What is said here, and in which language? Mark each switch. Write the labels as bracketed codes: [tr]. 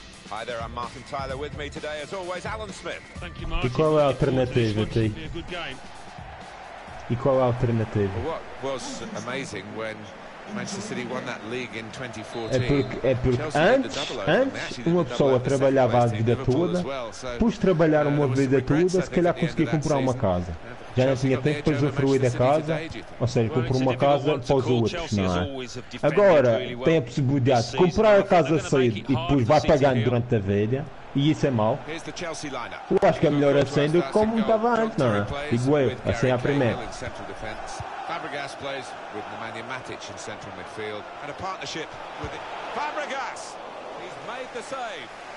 [en] Hi there, I'm Martin Tyler with me today, as always, Alan Smith. Thank you, Martin. [pt] E qual é a alternativa, T? E qual é a alternativa? [en] What was amazing when Manchester City won that league in 2014? [pt] É porque antes uma pessoa trabalhava a vida toda, depois de trabalhar uma vida toda, se calhar conseguia comprar uma casa. já não tinha tempo para usufruir da casa, ou seja, comprou uma casa para os outros, não é? Agora, tem a possibilidade de comprar a casa cedo e depois vai pagando durante a velha, e isso é mau. Eu acho que é melhor assim do que como estava antes, não é? Digo eu, assim é a primeira. [en] Fabregas plays with Nemanja Matic in central midfield and a partnership with Fabregas. He's made the save.